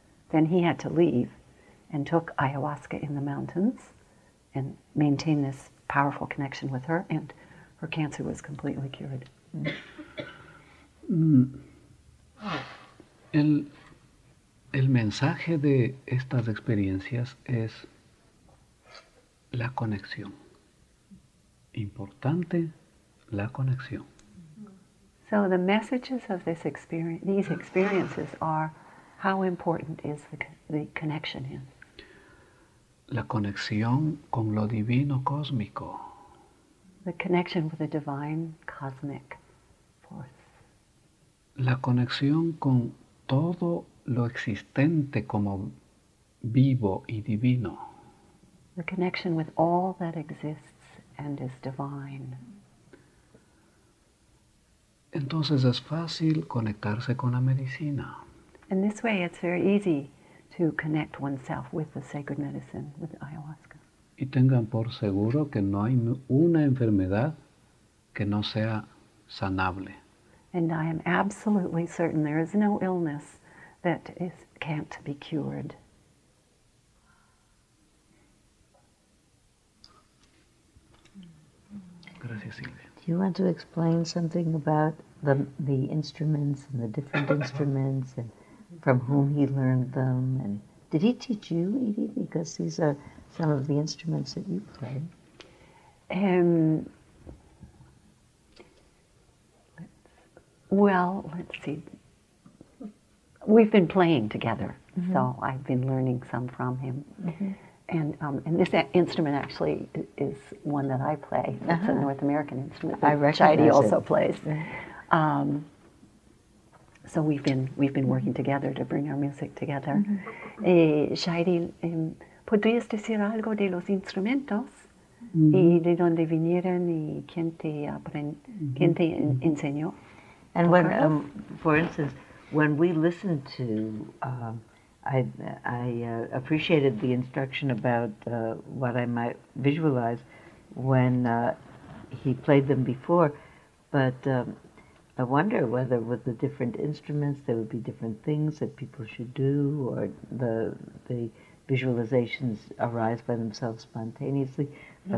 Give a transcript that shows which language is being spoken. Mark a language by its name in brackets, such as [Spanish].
[English] Then he had to leave and took ayahuasca in the mountains and maintained this powerful connection with her, and her cancer was completely cured. [Spanish] El mensaje de estas experiencias es la conexión. Importante. La conexión. [English] So the messages of this experience, these experiences are how important is the connection is. [Spanish] La conexión con lo divino cósmico. [English] The connection with the divine cosmic force. [Spanish] la conexión con todo lo existente como vivo y divino. [English] The connection with all that exists and is divine. [Spanish] Entonces es fácil conectarse con la medicina. [English] In this way it's very easy to connect oneself with the sacred medicine, with ayahuasca. [Spanish] Y tengan por seguro que no hay una enfermedad que no sea sanable. [English] And I am absolutely certain there is no illness that is, can't be cured. [Spanish] Gracias, Silvia. [English] Do you want to explain something about the instruments and the different instruments and from whom he learned them? And did he teach you, Edie? Because these are some of the instruments that you play. Let's see. We've been playing together, mm-hmm. so I've been learning some from him. Mm-hmm. And this instrument actually is one that I play. That's uh-huh. a North American instrument, which Heidi also plays. Yeah. So we've been working together to bring our music together. [Spanish] Shaidi, ¿podrías decir algo de los instrumentos y de dónde vinieron y quién te enseñó? [English] And when, for instance, when we listened to, I appreciated the instruction about what I might visualize when he played them before, but. I wonder whether with the different instruments there would be different things that people should do, or the visualizations arise by themselves spontaneously, mm-hmm.